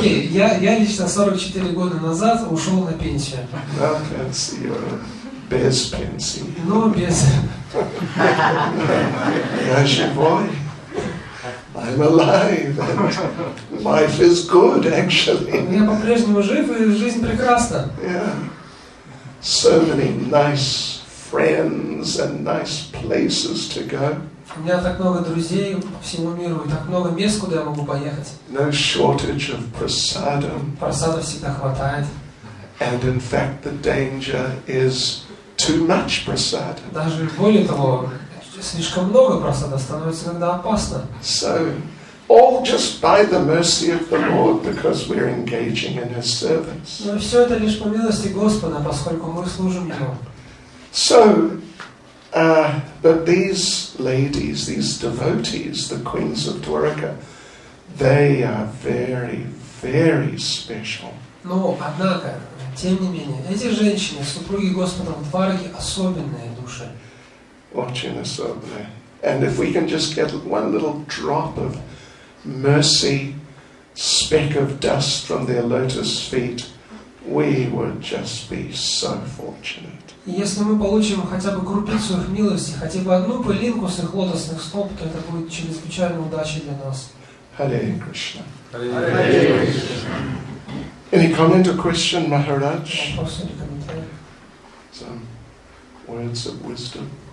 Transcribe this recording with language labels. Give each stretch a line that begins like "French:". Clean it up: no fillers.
Russian: Я лично 44 года назад ушел на пенсию.
English: No pensi,
Russian: без пенсии. Ну, без... Я живой.
English: I'm alive and life is good actually.
Russian: Я по-прежнему жив, и жизнь прекрасна.
English: So many nice friends and nice places to go.
Russian: У меня так много друзей по всему миру, и так много мест, куда я могу поехать.
English: No shortage of prasadam.
Russian: Прасада всегда хватает.
English: And in fact the danger is too much prasadam.
Russian: Даже более того, слишком много просто становится иногда опасно.
English: So, all just by the mercy of the Lord, because we're engaging in His service.
Russian: Но все это лишь по милости Господа, поскольку мы служим Ему.
English: So, but these ladies, these devotees, the queens of Dwarka, they are very, very special.
Russian: Но однако, тем не менее, эти женщины, супруги Господа в Двараке, особенные души.
English: Watching us over there. And if we can just get one little drop of mercy, speck of dust from their lotus feet, we would just be so fortunate.
Russian: Если мы получим хотя бы крупицу их милости, хотя бы одну пылинку с их лотосных стоп, то это будет чрезвычайно удачей для нас.
English: Hare Krishna. Hare Krishna. Any comment or question, Maharaj?
Russian: Вопросы или комментарии?
English: Some words of wisdom.